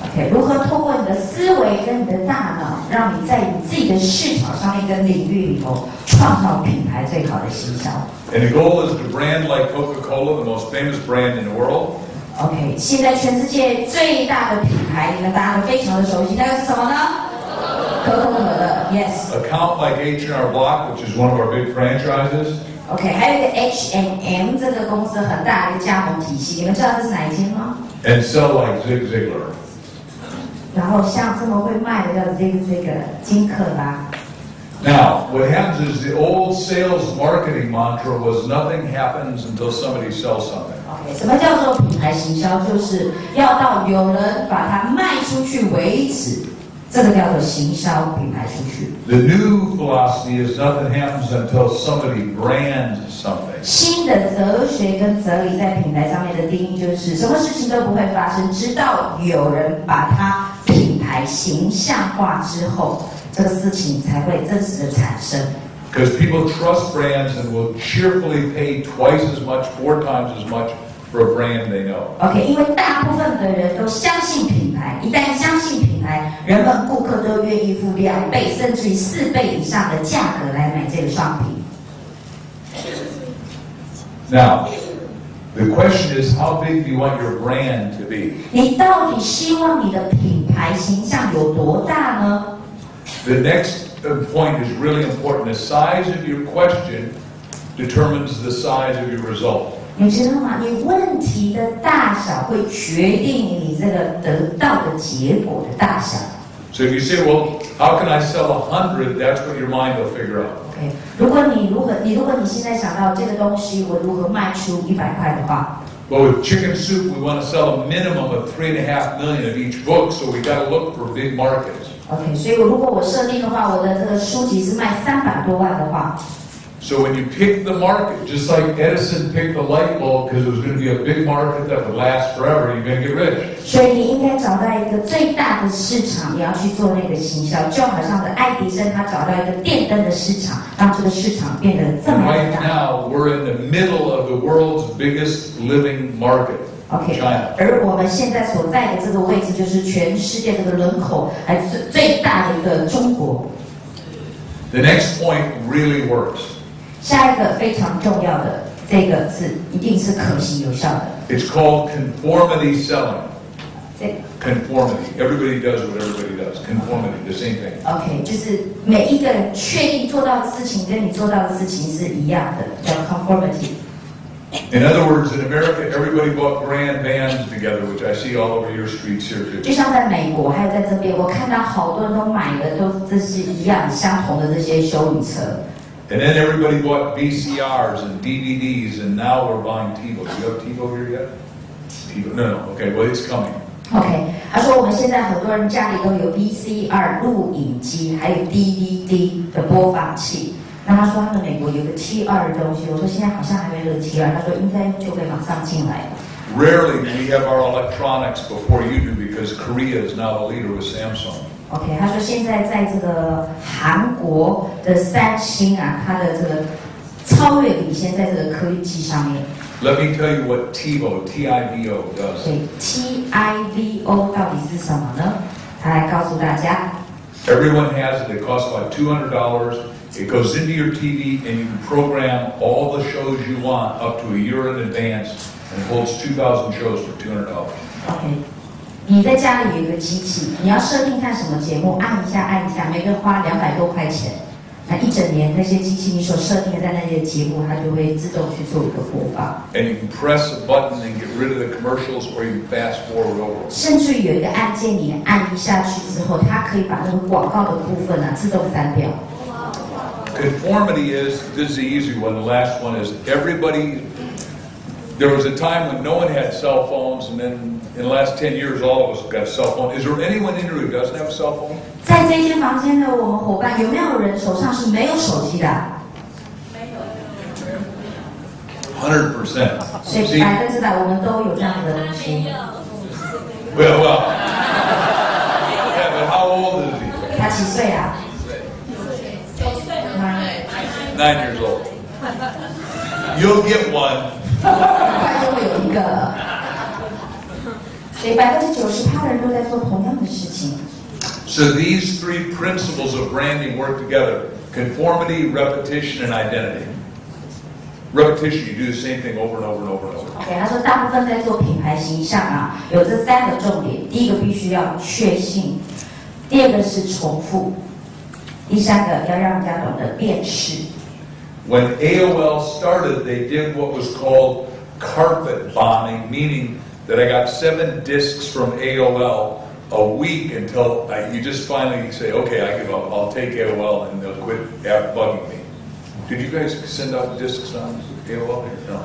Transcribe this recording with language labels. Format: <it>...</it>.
<zh>Okay, 如何透过你的思维跟你的大脑，让你在你自己的市场上面跟领域里头创造品牌最好的形象。</zh> <en>And the goal is to brand like Coca-Cola, the most famous brand in the world.</en> <zh>OK， 现在全世界最大的品牌，你们大家都非常的熟悉，那是什么呢？可口可乐 ，Yes。</zh> <en>Account like H&R Block, which is one of our big franchises.</en> <zh>OK， 还有一个 H&M 这个公司很大的加盟体系，你们知道这是哪一间吗</zh> <en>？And sell like Zig Ziglar.</en> <zh>然后像这么会卖的叫 Zig Ziglar 金克拉。</zh> <en>Now, what happens is the old sales marketing mantra was nothing happens until somebody sells something.</en> <zh>Okay, 什么叫做品牌行销？就是要到有人把它卖出去为止，这个叫做行销品牌出去。</zh> <en>The new philosophy is nothing happens until somebody brands something.</en> <zh>新的哲学跟哲理在品牌上面的定义就是什么事情都不会发生，直到有人把它品牌形象化之后。这个事情才会真实的产生。</zh> <en>Because people trust brands and will cheerfully pay twice as much, four times as much for a brand they know.</en> <zh>Okay, 因为大部分的人都相信品牌，一旦相信品牌，人们顾客都愿意付两倍甚至于四倍以上的价格来买这个商品。</zh> <en>Now. The question is, how big do you want your brand to be?</en> <zh>你到底希望你的品牌形象有多大呢？</zh> <en>The next point is really important. The size of your question determines the size of your result.</en> <zh>你知道吗？你问题的大小会决定你这个得到的结果的大小。</zh> <en>So if you say, well, how can I sell 100? That's what your mind will figure out. Okay.</en> <zh>如果你现在想到这个东西，我如何卖出100块的话？</zh> <en>Well, with chicken soup, we want to sell a minimum of 3.5 million of each book, so we got to look for big markets. Okay.</en> <zh>所以如果我设定的话，我的这个书籍是卖300多万的话。</zh> <en>So when you pick the market, just like Edison picked the light bulb because it was going to be a big market that would last forever, you're going to get rich.</en> <zh>所以你应该找到一个最大的市场，你要去做那个行销，就好像的爱迪生他找到一个电灯的市场，让这个市场变得这么大。</zh> <en>Right now, we're in the middle of the world's biggest living market, okay, China.</en> <zh>而我们现在所在的这个位置，就是全世界这个人口还是最大的一个中国。</zh> <en>The next point really works.</en> <zh>下一个非常重要的，这个是一定是可行有效的。</zh> <en>It's called conformity selling. Conformity. Everybody does what everybody does. Conformity, the same thing.</en> <zh>Okay, 就是每一个人确定做到的事情跟你做到的事情是一样的，叫 conformity.</zh> <en>In other words, in America, everybody bought grand bands together, which I see all over your streets here too.</en> <zh>就像在美国，还有在这边，我看到好多人都买的都这是一样相同的这些休影车。</zh> <en>And then everybody bought VCRs and DVDs, and now we're buying TiVo. Do you have TiVo here yet? TiVo? No, no. Okay, well, it's coming.</en> <zh>Okay. 他说我们现在很多人家里都有 VCR 录影机，还有 DVD 的播放器。那他说他们美国有个 T2 的东西，我说现在好像还没有 T2， 他说应该就会马上进来。</zh> <en>Rarely do we have our electronics before you do because Korea is now the leader with Samsung.</en> <zh>Okay, 他说现在在这个韩国的三星啊，它的这个超越领先在这个科技上面。</zh> <en>Let me tell you what TiVo, T-I-V-O does.</en> <zh>Okay, T-I-V-O 到底是什么呢？他来告诉大家。</zh> <en>Everyone has it. It costs about $200. It goes into your TV and you can program all the shows you want up to a year in advance and holds 2,000 shows for $200. Okay.</en> <zh>你在家里有一个机器，你要设定看什么节目，按一下按一下，每个花200多块钱。那一整年那些机器你所设定的那些节目，它就会自动去做一个播放。</zh> <en>And you can press a button and get rid of the commercials or you fast forward over.</en> <zh>甚至于有一个按键，你按一下去之后，它可以把那个广告的部分啊自动删掉。</zh> <en>Conformity is, this is the easy one, the last one is, everybody, there was a time when no one had cell phones, and then in the last 10 years, all of us got cell phones. Is there anyone in here who doesn't have a cell phone?</en> <zh>在这间房间的我们伙伴，有没有人手上是没有手机的？</zh> <en>100%.</en> <zh>所以100%，我们都有这样的东西。</zh> <en>Well, well. Yeah, but how old is he?</en> <zh>他几岁啊？</zh> <en>9 years old. You'll get one.</en> <zh>快就会有一个。所以90%的人都在做同样的事情。</zh> <en>So these three principles of branding work together: conformity, repetition, and identity. Repetition, you do the same thing over and over and over and over.</en> <zh>Okay, 他说大部分在做品牌形象啊，有这三个重点：第一个必须要确信，第二个是重复，第三个要让人家懂得辨识。</zh> <en>When AOL started, they did what was called carpet bombing, meaning that I got 7 discs from AOL a week until you just finally say, okay, I give up, I'll take AOL, and they'll quit bugging me. Did you guys send out discs on AOL? No.</en>